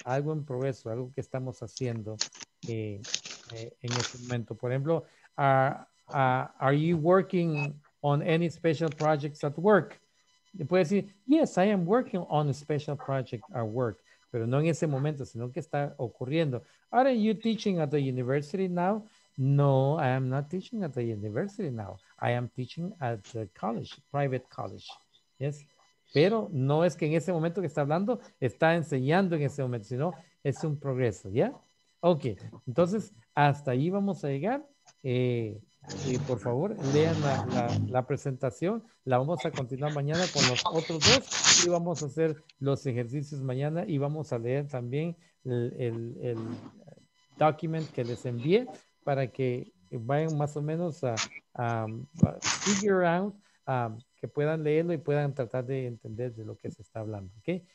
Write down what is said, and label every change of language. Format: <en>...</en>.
<es>Algo en progreso, algo que estamos haciendo en este momento. Por ejemplo,</es> <en>are you working on any special projects at work.</en> <es>Le puede decir,</es> <en>yes, I am working on a special project at work.</en> <es>Pero no en ese momento, sino que está ocurriendo.</es> <en>Are you teaching at the university now? No, I am not teaching at the university now. I am teaching at the college, private college. Yes.</en> <es>Pero no es que en ese momento que está hablando, está enseñando en ese momento, sino es un progreso, ¿ya? Ok, entonces hasta ahí vamos a llegar. Y por favor, lean la presentación. La vamos a continuar mañana con los otros dos y vamos a hacer los ejercicios mañana y vamos a leer también el document que les envié para que vayan más o menos a</es> <en>figure out</en> <es>que puedan leerlo y puedan tratar de entender de lo que se está hablando, ¿ok?</es>